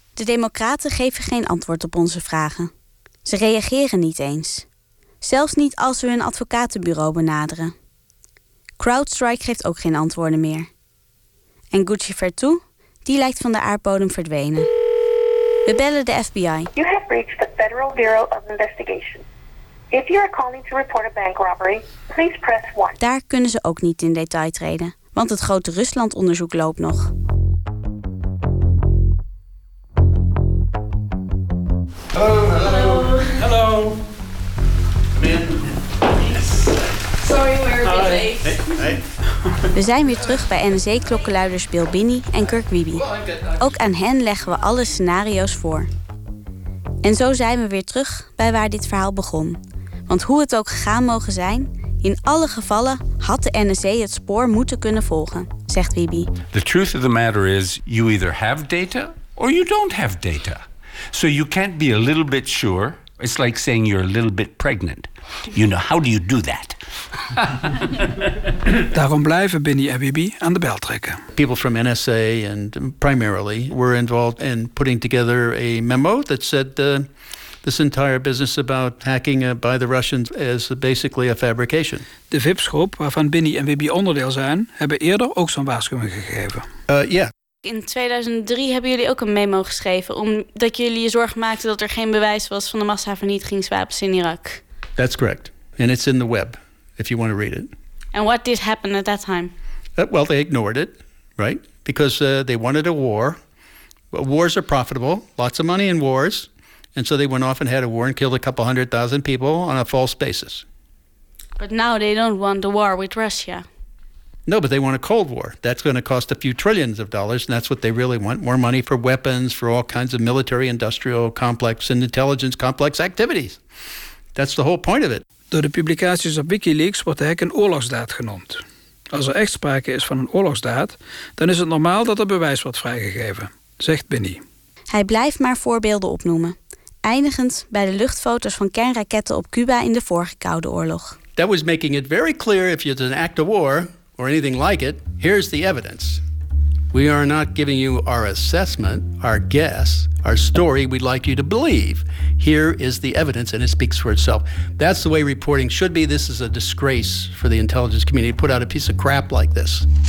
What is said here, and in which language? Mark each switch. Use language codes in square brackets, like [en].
[nl] De Democraten geven geen antwoord op onze vragen. Ze reageren niet eens. Zelfs niet als we hun advocatenbureau benaderen. CrowdStrike geeft ook geen antwoorden meer. En Gucci Vertu, die lijkt van de aardbodem verdwenen. We bellen de FBI. [en] You have reached the Federal Bureau of Investigation. If you are calling to report a bank robbery, please press 1. [nl] Daar kunnen ze ook niet in detail treden, want het grote Rusland-onderzoek loopt nog. Hallo. Hallo. [en] Yes. Sorry, we're a bit late. Hey. Hey. [nl] We zijn weer terug bij NSE-klokkenluiders Bill Binney en Kirk Wiebe. Ook aan hen leggen we alle scenario's voor. En zo zijn we weer terug bij waar dit verhaal begon. Want hoe het ook gegaan mogen zijn, in alle gevallen had de NSA het spoor moeten kunnen volgen, zegt Wiebe. [en] The truth of the matter is, you either have data or you don't have data. So you can't be a little bit sure. It's like saying you're a little bit pregnant. You know, how do you do that? [nl] Daarom blijven Binnie en Wiebe aan de bel trekken. [en] People from NSA and primarily were involved in putting together a memo that said this entire business about hacking by the Russians is basically a fabrication. [nl] De VIPS-groep, waarvan Binnie en Wiebe onderdeel zijn, hebben eerder ook zo'n waarschuwing gegeven. [en] Yeah. [nl] In 2003 hebben jullie ook een memo geschreven omdat jullie je zorgen maakten dat er geen bewijs was van de massavernietigingswapens in Irak. [en] That's correct. And it's in the web, if you want to read it. And what did happen at that time? Well, they ignored it, right? Because they wanted a war. Wars are profitable. Lots of money in wars. And so they went off and had a war and killed a couple hundred thousand people on a false basis. But now they don't want a war with Russia. No, but they want a Cold War. That's going to cost a few trillions of dollars, and that's what they really want. More money for weapons, for all kinds of military-industrial complex and intelligence complex activities. That's the whole point of it. [nl] Door de publicaties op WikiLeaks wordt de hack een oorlogsdaad genoemd. Als er echt sprake is van een oorlogsdaad, dan is het normaal dat er bewijs wordt vrijgegeven, zegt Binny. Hij blijft maar voorbeelden opnoemen. Eindigend bij de luchtfoto's van kernraketten op Cuba in de vorige Koude Oorlog. [en] That was making it very clear if it's an act of war or anything like it, here's the evidence. We are not giving you our assessment, our guess, our story we'd like you to believe. Here is the evidence, and it speaks for itself. That's the way reporting should be. This is a disgrace for the intelligence community to put out a piece of crap like this.